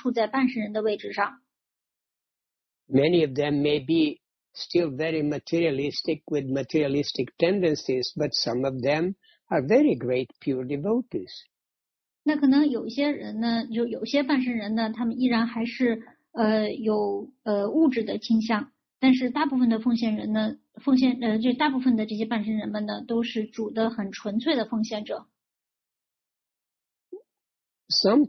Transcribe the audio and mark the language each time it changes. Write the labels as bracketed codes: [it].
[zh] 那么他们其实都是主的奉献者，因为如果他们要不是主的奉献者的话，他们也根本就不可能处在半神人的位置上。 [en] Many of them may be still very materialistic with materialistic tendencies, but some of them are very great pure devotees. [zh] 那可能有些人呢，就有些半神人呢，他们依然还是有物质的倾向，但是大部分的奉献人呢，就大部分的这些半神人们呢，都是主的很纯粹的奉献者。 [en] Some